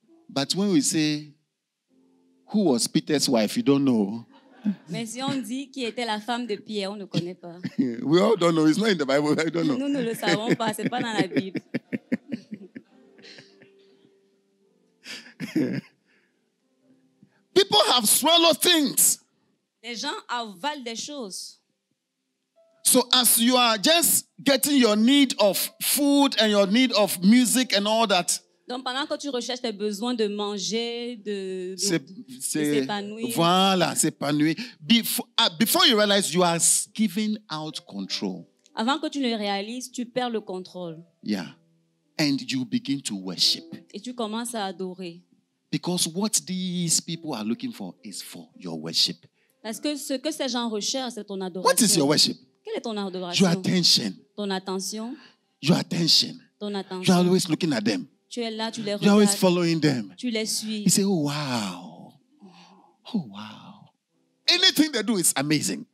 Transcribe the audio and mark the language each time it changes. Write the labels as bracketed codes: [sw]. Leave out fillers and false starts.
[en] But when we say, who was Peter's wife, you don't know. [fr] Mais si on dit qui était la femme de Pierre, on ne connaît pas. [en] We all don't know. It's not in the Bible. I don't know. [fr] Nous ne le savons pas. C'est pas dans la Bible. [en] People have swallowed things. [fr] Les gens avalent des choses. [en] So as you are just getting your need of food and your need of music and all that. [fr] Donc pendant que tu recherches tes besoins de manger, de s'épanouir. Voilà, s'épanouir. [en] Before you realize you are giving out control. [fr] Avant que tu ne réalises, tu perds le contrôle. [en] Yeah. And you begin to worship. [fr] Et tu commences à adorer. [en] Because what these people are looking for is for your worship. [fr] Parce que ce que ces gens recherchent, c'est ton adoration. [en] What is your worship? [fr] Quelle est ton adoration? [en] Your attention. [fr] Ton attention. [en] Your attention. [fr] Ton attention. [en] You're always looking at them. [fr] Tu es là, tu les regardes. [en] You're always following them. [fr] Tu les suis. [en] You say, oh wow. Oh wow. Anything they do is amazing.